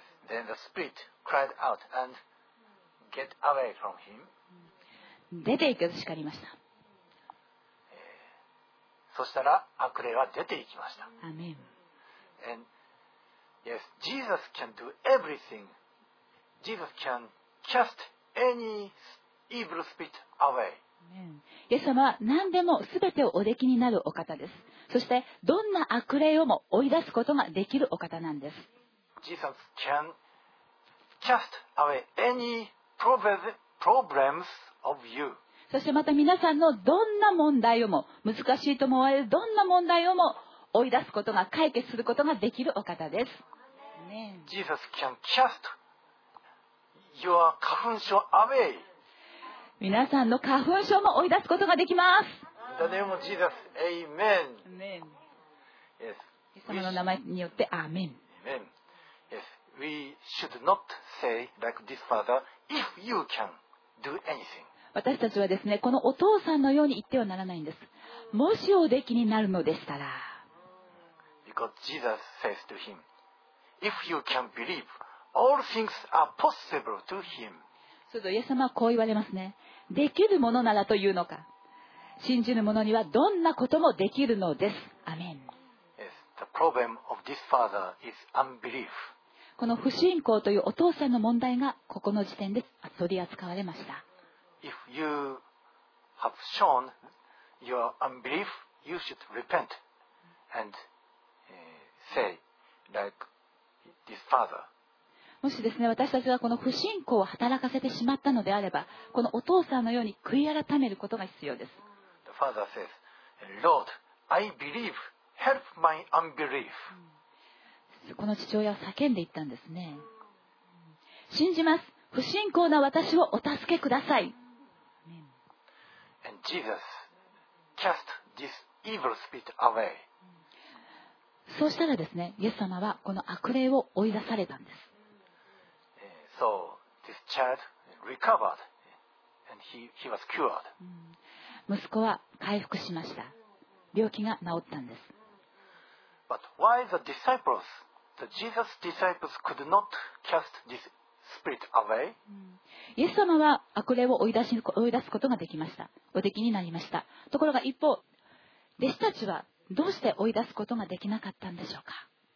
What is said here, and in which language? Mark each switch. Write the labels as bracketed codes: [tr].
[en] Then the spirit cried out and get away from him. [ja] 出て行けと叱りました。そしたら悪霊は出て行きました。アーメン。 [en] And yes, Jesus can do everything. Jesus can cast any evil spirit away. [ja] イエス様は何でも全てをおできになるお方です。そしてどんな悪霊をも追い出すことができるお方なんです。 [en] Jesus can cast away any problems of you. [ja] そしてまた皆さんのどんな問題をも、難しいと思われるどんな問題をも追い出すことが、解決することができるお方です。 [en] Jesus can cast your 花粉症 away. [ja] 皆さんの花粉症も追い出すことができます。 [en] In the name of Jesus, Amen. Yes. [ja] その名前によって、Amen. [en] Amen. Yes. We should not say like this father, if you can do anything. [ja] 私たちはですね、このお父さんのように言ってはならないんです。もしおできになるのでしたら、 [en] Because Jesus says to him, "If you can believe, all things are possible to him." [ja] そうすると、イエス様はこう言われますね。できるものならというのか。信じる者にはどんなこともできるのです。アメン。 [en] Yes, the problem of this father is unbelief. [ja] この不信仰というお父さんの問題がここの時点で取り扱われました。 [en] If you have shown your unbelief, you should repent and say like this father. [ja] もしですね、私たちがこの不信仰を働かせてしまったのであれば、このお父さんのように悔い改めることが必要です。 [en] The father says, Lord, I believe. Help my unbelief. [ja] この父親は叫んで言ったんですね。信じます。不信仰な私をお助けください。 [en] And Jesus cast this evil spirit away. [ja] そうしたらですね、イエス様はこの悪霊を追い出されたんです。 [en] So this child recovered and he was cured. [ja] 息子は回復しました。病気が治ったんです。 [en] But why the disciples, the Jesus disciples could not cast this spirit away? [ja] イエス様は悪霊を追い出すことができました。おできになりました。ところが一方、弟子たちはどうして追い出すことができなかったんでしょうか。